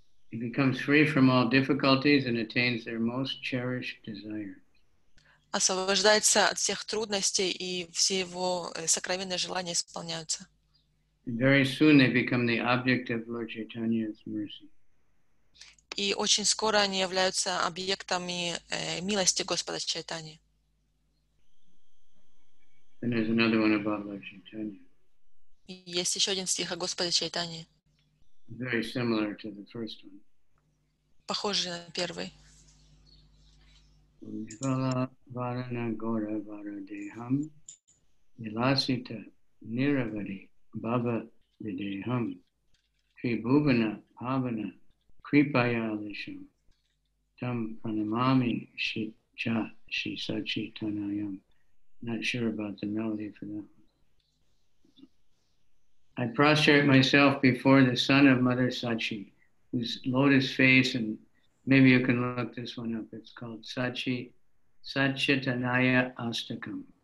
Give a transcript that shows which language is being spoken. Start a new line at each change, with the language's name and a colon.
English: He becomes free from all difficulties and attains their most cherished desires.
Russian: Освобождается от всех трудностей, и все его сокровенные желания исполняются.
English: And very soon they become the object of Lord Chaitanya's mercy.
Russian: И очень скоро они являются объектами милости Господа Чайтани.
English: And there's another one about Lord Chaitanya.
Russian: Есть еще один стих о Господе Чайтани.
English: Very similar to the first one.
Russian: Похожий на первый.
Sanskrit: Ужвала варана гора варадехам Виласита ниравари бхава видехам Трибувана бхавана крипаялишам Там пранамами ши ча ши сачи танаям.
English: Not sure about the melody for that. I prostrate myself before the son of Mother Sachi, whose lotus face, and maybe you can look this one up, it's called Sachi, Satchitanaya Astakam.